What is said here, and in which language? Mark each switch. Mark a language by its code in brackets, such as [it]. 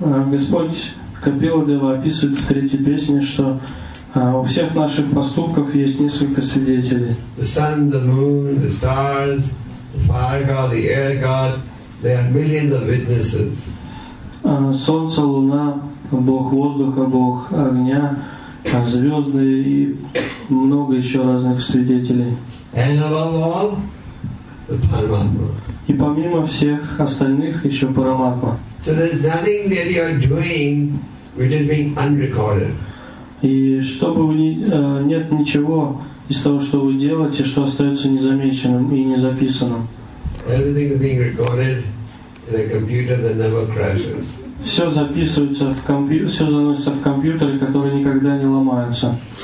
[ru] Господь Капила Дева описывает в третьей песне, что у всех наших поступков есть несколько свидетелей. [en] The sun, the moon, the stars, the fire god, the air god, there are millions of witnesses. [ru] Солнце, луна, Бог воздуха, Бог огня, звезды и много еще разных свидетелей. [en] And above all, the Paramatma. [ru] И помимо всех остальных еще Параматма. [en] So there's nothing that you are doing which is being unrecorded. [ru] И чтобы нет ничего из того, что вы делаете, что остается незамеченным и незаписанным. [en] Everything is being recorded in a computer that never crashes. [ru] Все записывается в компьютер, все заносится в компьютер, который никогда не ломается.